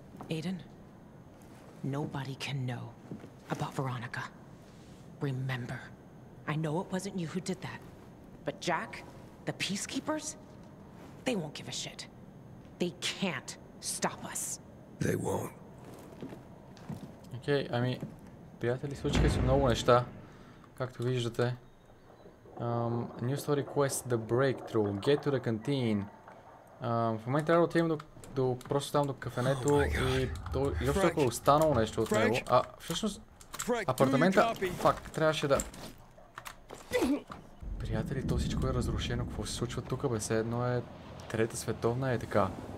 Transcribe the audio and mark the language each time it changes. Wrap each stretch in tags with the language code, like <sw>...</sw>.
<en>Aiden, nobody can know about Veronica. Remember, I know it wasn't you who did that. But Jack, the peacekeepers, they won't give a shit. They can't. Stop us. They won't.</en> <bg>Окей, ами, приятели, случиха се много неща, както виждате.</bg> <en>New story quest, the breakthrough, get to the canteen.</en> <bg>В момента трябва да отидем до просто там до кафенето и то, изобщо ако е останало нещо от него. А, всъщност, апартамента, фак, трябваше да... Приятели, то всичко е разрушено, какво се случва тук, бе, все едно е трета световна е така.</bg>